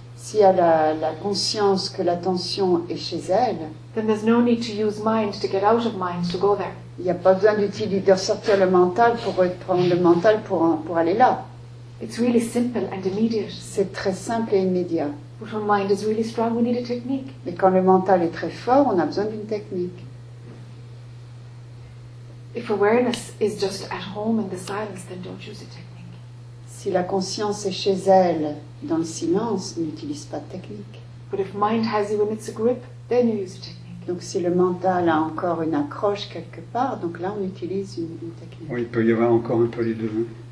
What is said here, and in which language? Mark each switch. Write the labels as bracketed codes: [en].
[fr] Si elle a la conscience que l'attention est chez elle. [en] Then there's no need to use mind to get out of mind to go there. [fr] Il n'y a pas besoin d'utiliser de sortir le mental pour prendre le mental pour aller là. [en] It's really simple and immediate. [fr] C'est très simple et immédiat. [en] But when mind is really strong, we need a technique. [fr] Mais quand le mental est très fort, on a besoin d'une technique. [en] If awareness is just at home in the silence, then don't use a technique. [fr] Si la conscience est chez elle dans le silence, n'utilise pas de technique. [en] But if mind has you in its grip, then you use a technique. [fr] Donc si le mental a encore une accroche quelque part, donc là on utilise une technique. Oui, il peut y avoir encore un peu les deux.